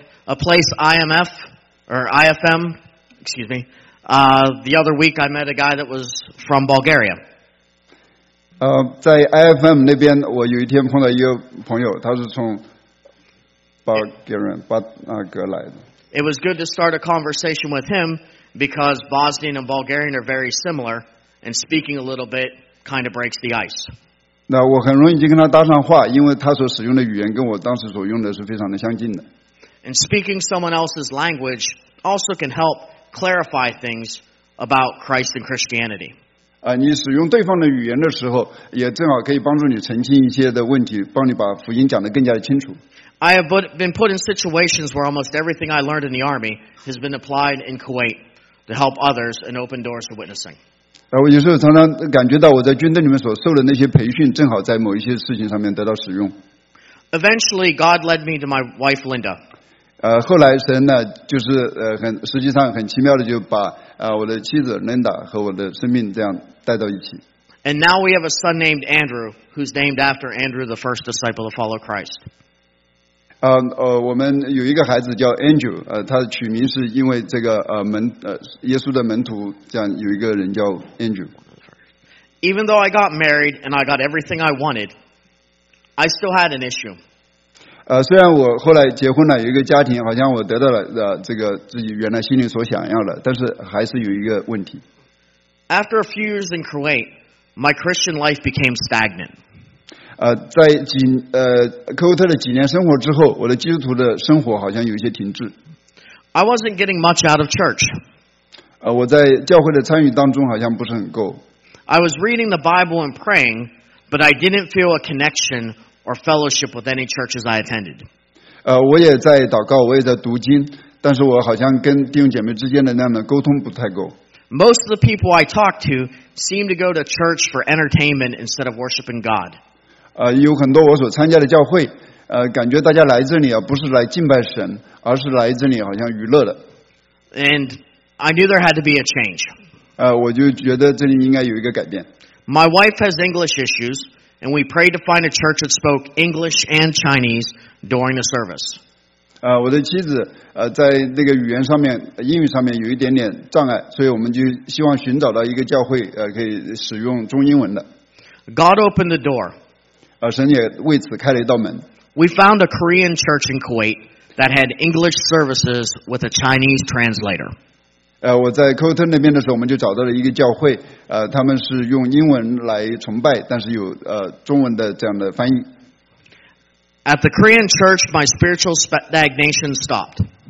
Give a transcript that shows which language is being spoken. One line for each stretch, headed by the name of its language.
English: A place IMF or IFM, excuse me. The other week I met a guy that was from Bulgaria.
Chinese: 在 IFM 那边，我有一天碰到一个朋友，他是从 Bulgarian 巴那格来的。
English: It was good to start a conversation with him because Bosnian and Bulgarian are very similar, and speaking a little bit kind of breaks the ice.
Chinese: 那我很容易就跟他搭上话，因为他所使用的语言跟我当时所用的是非常的相近的。
English: And speaking someone else's language also can help clarify things about Christ and Christianity.
Chinese: 你使用对方的语言的时候，也正好可以帮助你澄清一些的问题，帮你把福音讲得更加的清楚。
English: I have been put in situations where almost everything I learned in the army has been applied in Kuwait to help others and open doors to witnessing.
Chinese: 我有时候常常感觉到我在军队里面所受的那些培训正好在某一些事情上面得到使用。
English: Eventually, God led me to my wife, Linda.
Chinese: 后来神呢就是很实际上很奇妙的就把我的妻子 Linda 和我的生命这样带到一起。
English: And now we have a son named Andrew, who's named after Andrew, the first disciple to follow Christ.
Chinese: 我们有一个孩子叫 Andrew, 他的取名是因为这个耶稣的门徒这样有一个人叫 Andrew.
English: Even though I got married and I got everything I wanted, I still had an issue.
Chinese: 虽然我后来结婚了，有一个家庭，好像我得到了这个自己原来心里所想要的，但是还是有一个问题。
English: After a few years in Kuwait. My Christian life became stagnant.
Chinese: 在科威特的几年生活之后，我的基督徒的生活好像有一些停滞。
English: I wasn't getting much out of church.
Chinese: 我在教会的参与当中好像不是很够。
English: I was reading the Bible and praying, but I didn't feel a connection or fellowship with any churches I attended.
Chinese: 我也在祷告，我也在读经，但是我好像跟弟兄姐妹之间的那样的沟通不太够。
English: Most of the people I talk to seem to go to church for entertainment instead of worshiping God.
Chinese: 有很多我所参加的教会，感觉大家来这里啊，不是来敬拜神，而是来这里好像娱乐的。
English: And I knew there had to be a change.
Chinese: 我就觉得这里应该有一个改变。
English: My wife has English issues, and we prayed to find a church that spoke English and Chinese during the service.
Chinese: 我的妻子在那个语言上面英语上面有一点点障碍，所以我们就希望寻找到一个教会可以使用中英文的。
English: God opened the door.
Chinese: 神也为此开了一道门。
English: We found a Korean church in Kuwait that had English services with a Chinese translator.
Chinese: 我在科威特那边的时候，我们就找到了一个教会，他们是用英文来崇拜，但是有中文的这样的翻译。
English: At the Korean church, my spiritual stagnation stopped.